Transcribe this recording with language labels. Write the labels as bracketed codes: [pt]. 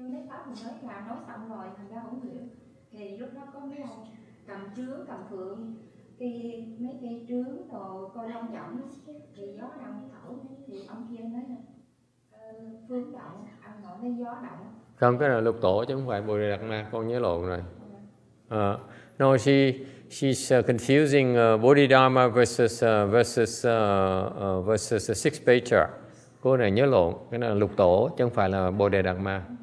[vi] Nhưng thấy Pháp mình nói là nói xong rồi thành ra không hiểu. Thì lúc đó có mấy ông cầm trướng, cầm phượng, thì mấy cây trướng đồ coi long trọng, thì gió đang thổi, thì ông kia nói là phương động, ăn ngồi thấy gió động. Không, cái này là lục tổ chứ không phải Bồ Đề Đạt Ma, con nhớ lộn rồi. [en] No, she's confusing Bodhidharma versus the sixth Pacha. [vi] Cô này nhớ lộn, cái này là lục tổ chứ không phải là Bồ Đề Đạt Ma.